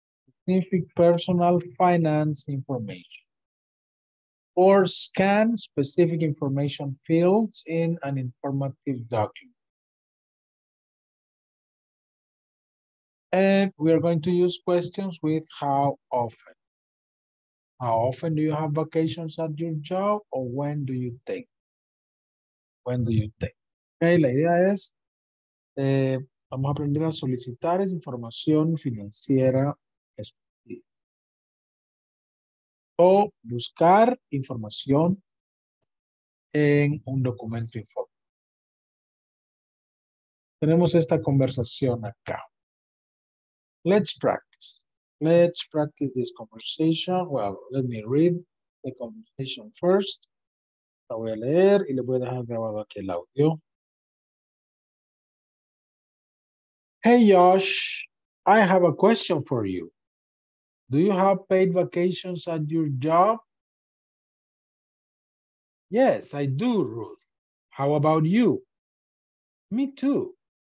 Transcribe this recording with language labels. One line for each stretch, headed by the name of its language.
English: Specific personal finance information. Or scan specific information fields in an informative document. And we are going to use questions with how often. How often do you have vacations at your job, or when do you take? When do you take?
Spanish: Okay, la idea es, vamos a aprender a solicitar esa información financiera o buscar información en un documento informe. Tenemos esta conversación acá.
English: Let's practice. Let's practice this conversation. Well, let me read the conversation first.
Spanish: La voy a leer y le voy a dejar grabado aquí el audio.
English: Hey Josh, I have a question for you. Do you have paid vacations at your job? Yes, I do, Ruth. How about you? Me too.